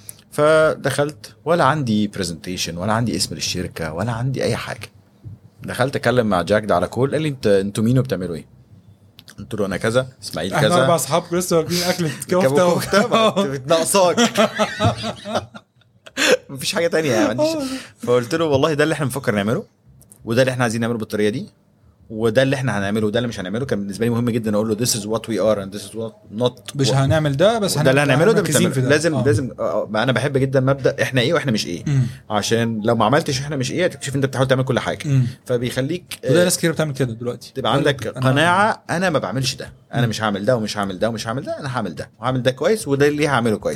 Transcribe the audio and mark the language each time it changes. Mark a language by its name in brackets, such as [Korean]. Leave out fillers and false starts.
[Arabic] فدخلت ولا عندي برزنتيشن ولا عندي اسم للشركة ولا عندي اي حاجة، دخلت اكلم مع جاك ده على كل، قال لي انتوا مين وبتعملوا ايه؟ قلت له انا كذا اسماعيل كذا. احنا اربع اصحاب لسه واكلين اكل كفتة بتنقصاك مفيش حاجة تانية يعني. فقلت له والله ده اللي احنا مفكر نعمله وده اللي احنا عايزين نعمله بالطريقة دي وده اللي احنا هنعمله وده اللي مش هنعمله. كان بالنسبه لي مهم جدا اقول له [English] this is what we are and this is what not [Arabic] مش و... هنعمل ده بس ده اللي هنعمله ده مش هنعمله. لازم لازم انا بحب جدا مبدا احنا ايه واحنا مش ايه عشان لو ما عملتش احنا مش ايه تكتشف انت بتحاول تعمل كل حاجه. فبيخليك وده ناس كتير بتعمل كده دلوقتي، تبقى عندك قناعه انا ما بعملش ده، انا مش هعمل ده ومش هعمل ده ومش هعمل ده، انا هعمل ده وهعمل ده كويس وده اللي هعمله كويس.